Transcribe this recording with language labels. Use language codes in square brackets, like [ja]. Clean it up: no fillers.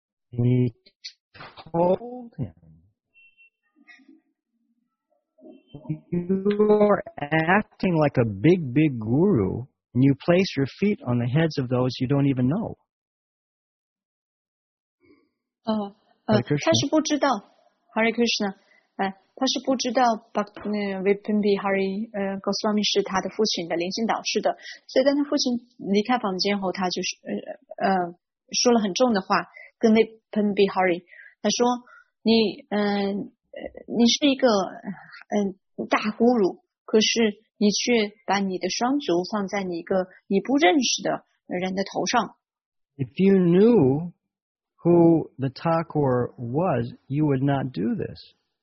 [en] He told him, you are acting like a big, big guru, and you place your feet on the heads of those you don't even know. [zh] 他是不知道, Hare Krishna, 他是不知道 Vipimbi Hari Goswami 是他的父亲的灵性导师的, 所以当他父亲离开房间后, 他就说了很重的话, 跟 Vipimbi Hari, 他说, 你是一个大侮辱, 可是你却把你的双足放在你一个你不认识的人的头上。 [en] If you knew who the Thakur was, you would not do this.